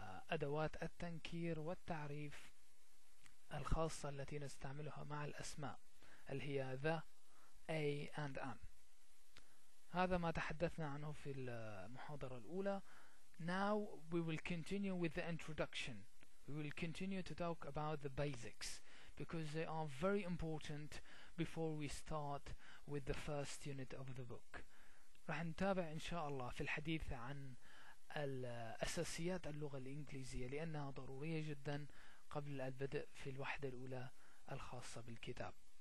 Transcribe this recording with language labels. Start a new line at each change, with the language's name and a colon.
Arabic: أدوات التنكير والتعريف الخاصة التي نستعملها مع الأسماء اللي هي the, a and am. هذا ما تحدثنا عنه في المحاضرة الأولى.
English: Now we will continue with the introduction. We will continue to talk about the basics because they are very important before we start with the first unit of the book.
Arabic: راح نتابع إن شاء الله في الحديث عن الأساسيات اللغة الإنجليزية لأنها ضرورية جدا قبل البدء في الوحدة الأولى الخاصة بالكتاب.